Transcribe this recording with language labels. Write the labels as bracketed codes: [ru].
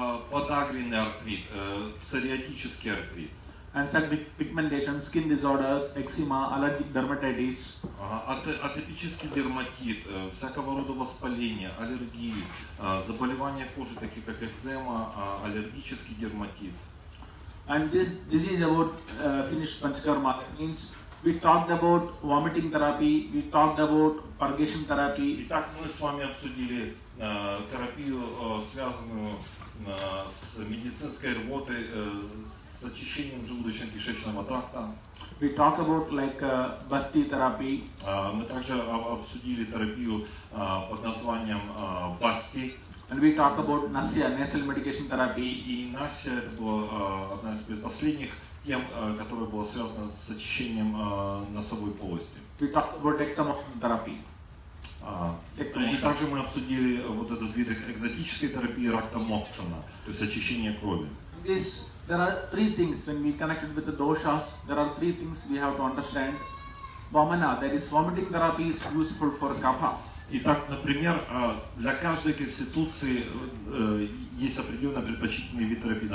[ru] подагренный артрит, псориатический артрит. [en] And some pigmentation, skin disorders, eczema, allergic dermatitis. [ru] Атопический дерматит, всякого рода воспаления, аллергии, заболевания кожи, такие как экзема, аллергический дерматит. [en] And this disease about finished panchakarma means we talked about vomiting therapy, we talked about purgation therapy. [ru] Итак, мы с вами обсудили терапию, связанную с медицинской работой, с очищением желудочно-кишечного тракта. [en] We talk about like Basti therapy. [ru] Мы также обсудили терапию под названием Basti. [en] And we talk about Nasya, nasal medication therapy. [ru] И Nasya это была одна из последних тем, которая была связана с очищением носовой полости. [en] We talk about ectomorphin therapy. [ru] И также мы обсудили вот этот вид экзотической терапии рактомокшана, то есть очищение крови. [en] There are three things when we connected with the doshas. There are three things we have to understand. Vamana, that is vomiting therapy, is useful for kapha. [ru] Итак, например, для каждой конституции есть определенный предпочтительный вид терапии.